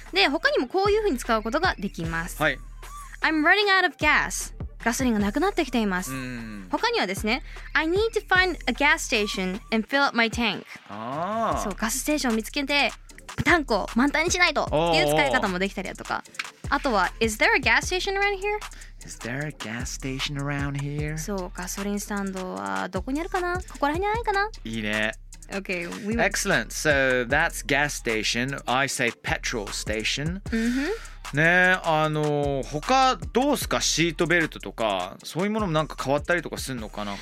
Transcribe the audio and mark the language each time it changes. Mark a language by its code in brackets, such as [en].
[ja] で、他にもこういう風に使うことができます。はい、 [en] I'm running out of gas. [ja] ガソリンがなくなってきています。うん、他にはですね、 [en] I need to find a gas station and fill up my tank. [ja] そう、ガスステーションを見つけてタンクを満タンにしないとっていう使い方もできたりだとか。あとは、 [en] Is there a gas station around here? Is there a gas station around here? [ja] そう、ガソリンスタンドはどこにあるかな？ここら辺にないかな？いいね。 [en] Okay. We will... Excellent. So that's gas station. I say petrol station. Mm-hmm. [ja] ね、あの、他どうすか？シートベルトとか、そういうものもなんか変わったりとかするのかな？